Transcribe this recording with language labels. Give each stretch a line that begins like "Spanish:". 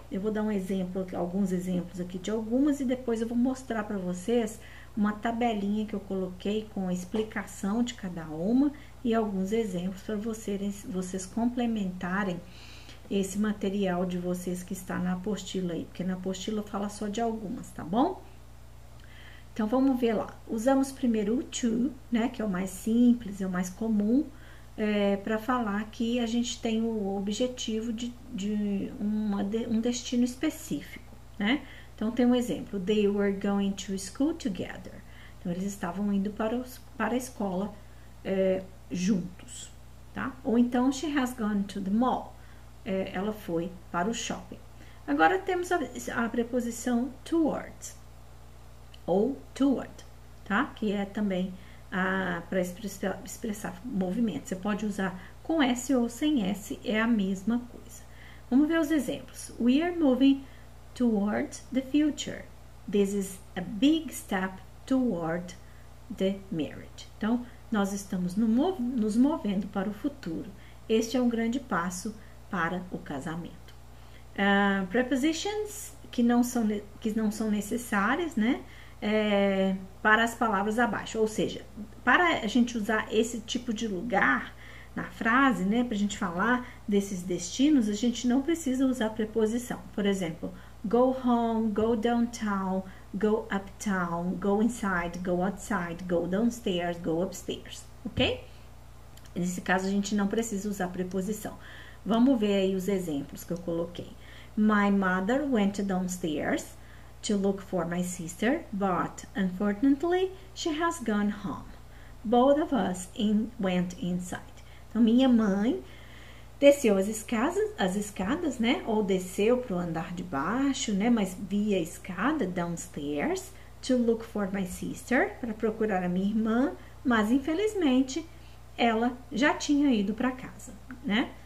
Portuguese: Eu vou dar um exemplo, alguns exemplos aqui de algumas, e depois eu vou mostrar para vocês uma tabelinha que eu coloquei com a explicação de cada uma e alguns exemplos para vocês complementarem esse material de vocês que está na apostila aí, porque na apostila fala só de algumas, tá bom? Então vamos ver lá. Usamos primeiro o to, né, que é o mais simples, é o mais comum. É, para falar que a gente tem o objetivo de um destino específico, né? Então tem um exemplo:
English: They were going to school together.
Portuguese: Então eles estavam indo para a escola juntos, tá? Ou então
English: she has gone to the mall.
Portuguese: É, ela foi para o shopping. Agora temos a preposição towards ou toward, tá? Que é também para expressar movimento. Você pode usar com S ou sem S, é a mesma coisa. Vamos ver os exemplos.
English: We are moving towards the future. This is a big step toward the marriage.
Portuguese: Então, nós estamos no mov nos movendo para o futuro. Este é um grande passo para o casamento. Prepositions que não são necessárias, né? Para as palavras abaixo, ou seja, para a gente usar esse tipo de lugar na frase, né, para a gente falar desses destinos, a gente não precisa usar preposição. Por exemplo,
English: go home, go downtown, go uptown, go inside, go outside, go downstairs, go upstairs, ok?
Portuguese: Nesse caso, a gente não precisa usar preposição. Vamos ver aí os exemplos que eu coloquei.
English: My mother went downstairs to look for my sister, but unfortunately she has gone home. Both of us went inside.
Portuguese: Então, minha mãe desceu as escadas, né? Ou desceu para o andar de baixo, né? Mas via a escada,
English: downstairs, to look for my sister,
Portuguese: para procurar a minha irmã, mas infelizmente ela já tinha ido para casa, né?